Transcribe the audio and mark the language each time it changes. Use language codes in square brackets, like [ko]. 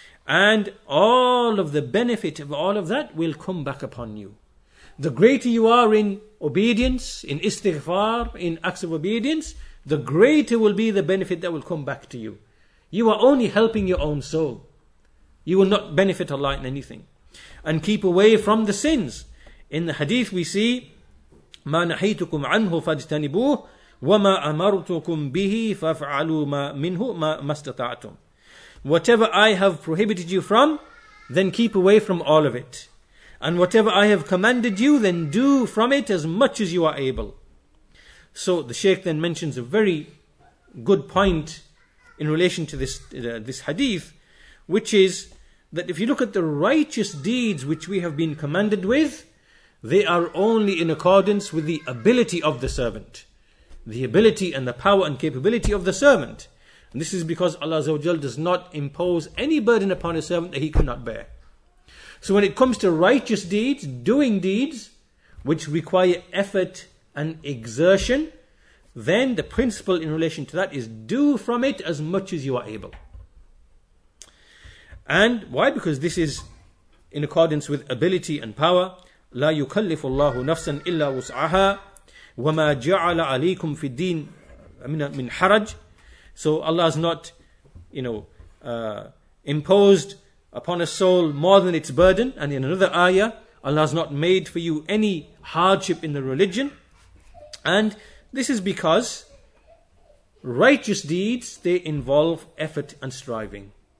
[en] And all of the benefit of all of that will come back upon you. The greater you are in obedience, in istighfar, in acts of obedience, the greater will be the benefit that will come back to you. You are only helping your own soul. You will not benefit Allah in anything. And keep away from the sins. In the hadith we see, [ar] مَا نَحِيتُكُمْ عَنْهُ فَاجْتَنِبُوهُ وَمَا أَمَرْتُكُمْ بِهِ فَافْعَلُوا مَا مِنْهُ مَا اسْتَطَعْتُمْ. [en] Whatever I have prohibited you from, then keep away from all of it. And whatever I have commanded you, then do from it as much as you are able. So the Shaykh then mentions a very good point in relation to this hadith, which is that if you look at the righteous deeds which we have been commanded with, they are only in accordance with the ability of the servant. The ability and the power and capability of the servant. And this is because Allah Azza wa Jal does not impose any burden upon a servant that he cannot bear. So when it comes to righteous deeds, doing deeds which require effort and exertion, then the principle in relation to that is do from it as much as you are able. And why? Because this is in accordance with ability and power. [ar] لا يكلف الله نفسا إلا وسعها وما جعل عليكم في الدين من حرج. [en] So Allah has not, you know, imposed upon a soul more than its burden. And in another ayah, Allah has not made for you any hardship in the religion. And this is because righteous deeds, they involve effort and striving.